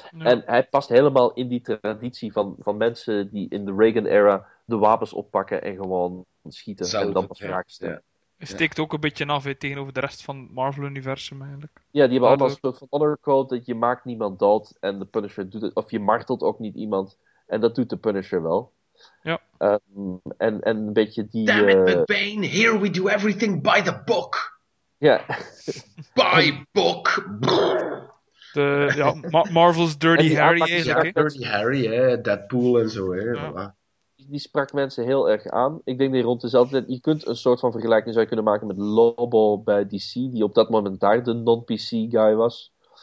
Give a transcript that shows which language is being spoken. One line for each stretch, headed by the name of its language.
Dutch: En hij past helemaal in die traditie van mensen die in de Reagan-era de wapens oppakken en gewoon schieten. Zelf, en dan pas vraag stellen. Het steekt ook een beetje af, he, tegenover de rest van het Marvel-universum eigenlijk. Ja, die hebben allemaal een soort van honor code dat je maakt niemand dood en de Punisher doet het. Of je martelt ook niet iemand. En dat doet de Punisher wel. Ja. En een beetje die...
English: Damn it, Bane, here we do everything by the book!
Dutch: Ja. Spy book. De, ja, Marvel's Dirty Harry eigenlijk. Ja, Dirty Harry, hè. Deadpool en zo. Hè. Ja. Voilà. Die sprak mensen heel erg aan. Ik denk dat je rond dezelfde tijd... Je kunt een soort van vergelijking zou kunnen maken met Lobo bij DC, die op dat moment daar de non-PC guy was.